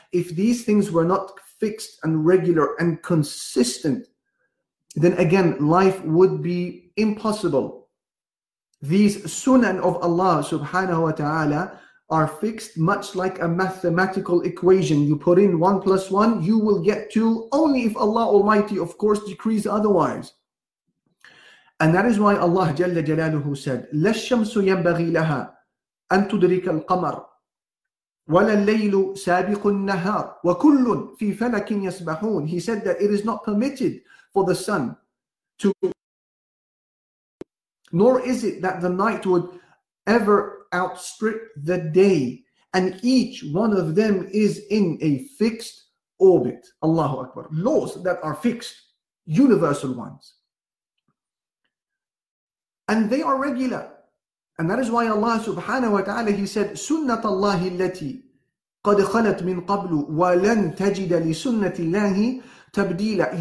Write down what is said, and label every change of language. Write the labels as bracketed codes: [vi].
[en] If these things were not fixed and regular and consistent, then again, life would be impossible. These sunan of Allah subhanahu wa ta'ala are fixed much like a mathematical equation. You put in 1 + 1, you will get 2, only if Allah Almighty, of course, decrees otherwise. And that is why Allah Jalla Jalaluhu said, [ar] لَشَّمْسُ يَنْبَغِي لَهَا أَن تُدْرِكَ الْقَمَرِ وَلَا اللَّيْلُ سَابِقُ النَّهَارِ وَكُلٌّ فِي فَلَكٍ يَسْبَحُونَ. [en] He said that it is not permitted for the sun to... Nor is it that the night would ever outstrip the day, and each one of them is in a fixed orbit. Allahu Akbar. Laws that are fixed, universal ones. And they are regular. And that is why Allah subhanahu wa ta'ala, He said, [ar] سُنَّةَ اللَّهِ الَّتِي قَدْ خَلَتْ مِنْ قَبْلُ وَلَنْ تَجِدَ لِسُنَّةِ اللَّهِ تَبْدِيلًا.